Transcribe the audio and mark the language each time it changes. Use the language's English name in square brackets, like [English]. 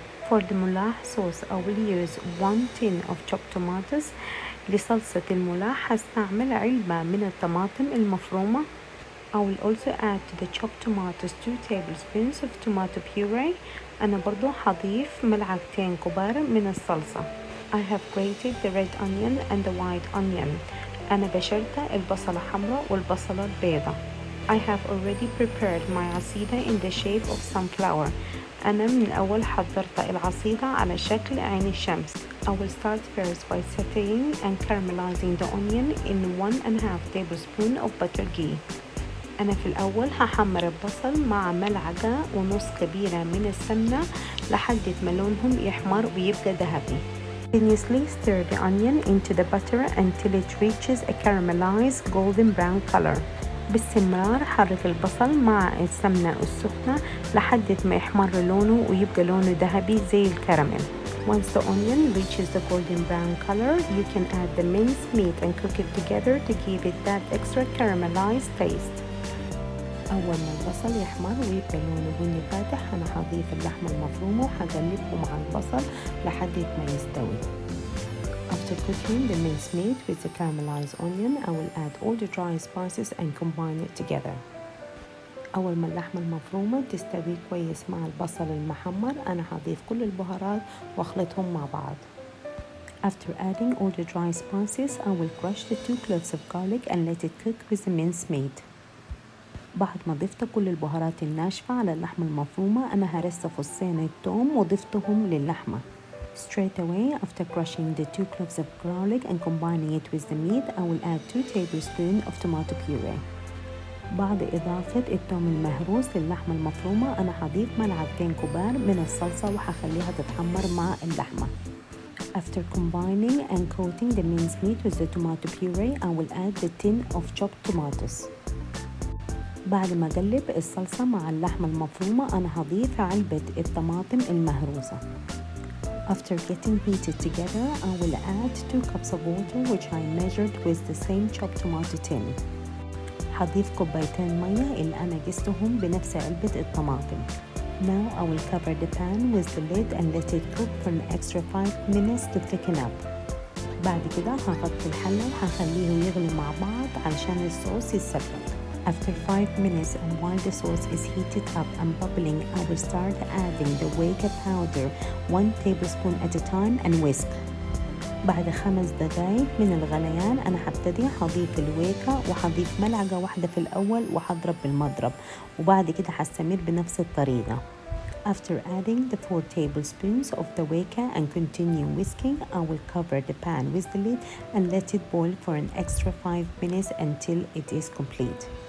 [English] For the moulah sauce, I will use 1 tin of chopped tomatoes. [Arabic] لصلصة الملاح هستعمل علبة من الطماطم المفرومة. [English] I will also add to the chopped tomatoes 2 tablespoons of tomato puree. [Arabic] أنا برضو هضيف ملعقتين كبار من الصلصة. [English] I have grated the red onion and the white onion. [Arabic] أنا بشرت البصلة الحمراء والبصلة البيضاء. [English] I have already prepared my عصيدة in the shape of sunflower. [Arabic] أنا من أول حضرت العصيدة على شكل عين الشمس. [English] I will start first by sauteing and caramelizing the onion in 1.5 tablespoon of butter ghee. [Arabic] أنا في الأول هحمر البصل مع ملعقة ونص كبيرة من السمنة لحد ما لونهم يحمر ويبقى ذهبي. [English] Continuously stir the onion into the butter until it reaches a caramelized golden brown color. [Arabic] باستمرار حرك البصل مع السمنة السخنة لحد ما يحمر لونه ويبقى لونه ذهبي زي الكراميل. [English] Once the onion reaches the golden brown color, you can add the minced meat and cook it together to give it that extra caramelized taste. [Arabic] أول ما البصل يحمر ويبقى لونه بني فاتح أنا هضيف اللحمة المفرومة وهقلبه مع البصل لحد ما يستوي. [English] After cooking the minced meat with the caramelized onion, I will add all the dry spices and combine it together. [Arabic] أول ما اللحمة المفرومة تستوي كويس مع البصل المحمر أنا هضيف كل البهارات واخلطهم مع بعض. [English] After adding all the dry spices, I will crush the 2 cloves of garlic and let it cook with the minced meat. [Arabic] بعد ما ضفت كل البهارات الناشفة على اللحمة المفرومة أنا هرص فصين الثوم وضفتهم للحمة. [English] Straight away after crushing the 2 cloves of garlic and combining it with the meat, I will add 2 tablespoons of tomato puree. [Arabic] بعد إضافة الثوم المهروس للحمة المفرومة أنا هضيف ملعقتين كبار من الصلصة وهخليها تتحمر مع اللحمة. [English] After combining and coating the minced meat with the tomato puree, I will add the tin of chopped tomatoes. [Arabic] بعد ما أقلب الصلصة مع اللحمة المفرومة أنا هضيف علبة الطماطم المهروسة. [English] After getting heated together, I will add 2 cups of water which I measured with the same chopped tomato tin. [Arabic] هضيف كوبايتين مية اللي أنا قستهم بنفس علبة الطماطم. [English] Now I will cover the pan with the lid and let it cook for an extra 5 minutes to thicken up. [Arabic] بعد كده هغطي الحلة وهخليه يغلي مع بعض علشان الصوص يتسبك. [English] After 5 minutes and while the sauce is heated up and bubbling, I will start adding the weka powder 1 tablespoon at a time and whisk. [Arabic] بعد 5 دقائق من الغليان أنا هبتدي هضيف الويكا وهضيف ملعقة واحدة في الأول وهضرب بالمضرب وبعد كده هستمر بنفس الطريقة. [English] After adding the 4 tablespoons of the weka and continue whisking, I will cover the pan with the lid and let it boil for an extra 5 minutes until it is complete.